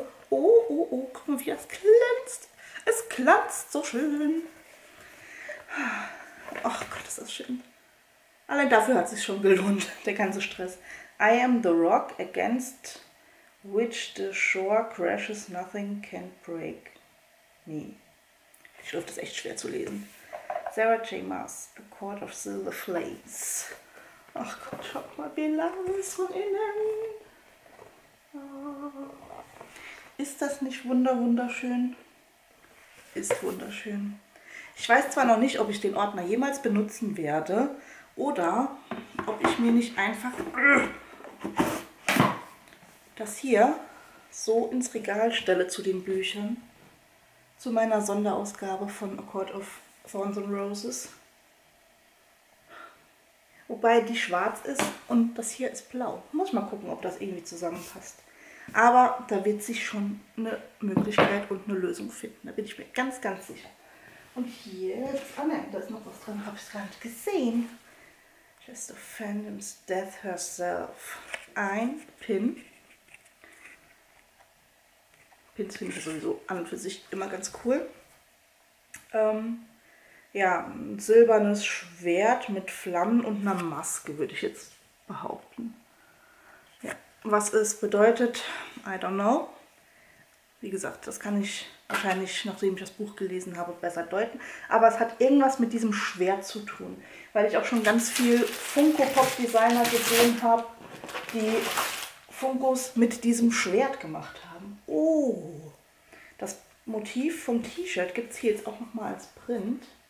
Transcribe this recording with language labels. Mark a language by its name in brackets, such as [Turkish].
[German] Oh, guck mal, wie das glänzt. Es glänzt so schön. Ach Gott, ist das schön. Allein dafür hat es sich schon gelohnt, der ganze Stress. [English] I am the rock against which the shore crashes, nothing can break me. [German] Ich glaube, das ist echt schwer zu lesen. Sarah J. Maas, The Court of Silver Flames. Ach Gott, schau mal, wie lang es von innen. Ist das nicht wunderschön? Ist wunderschön. Ich weiß zwar noch nicht, ob ich den Ordner jemals benutzen werde oder ob ich mir nicht einfach das hier so ins Regal stelle zu den Büchern, zu meiner Sonderausgabe von A Court of Thorns and Roses. Wobei die schwarz ist und das hier ist blau. Muss ich mal gucken, ob das irgendwie zusammenpasst. Aber da wird sich schon eine Möglichkeit und eine Lösung finden. Da bin ich mir ganz, ganz sicher. Und hier, ah nein, da ist noch was drin, habe ich gar nicht gesehen. [English] Just a Phantom's Death Herself. [German] Ein Pin. Pins finde ich sowieso an und für sich immer ganz cool. Ja, ein silbernes Schwert mit Flammen und einer Maske, würde ich jetzt behaupten. Ja, was es bedeutet, [English] I don't know. [German] Wie gesagt, das kann ich wahrscheinlich, nachdem ich das Buch gelesen habe, besser deuten. Aber es hat irgendwas mit diesem Schwert zu tun. Weil ich auch schon ganz viel Funko-Pop-Designer gesehen habe, die Funkos mit diesem Schwert gemacht haben. Oh, das Motiv vom T-Shirt gibt es hier jetzt auch nochmal als Print.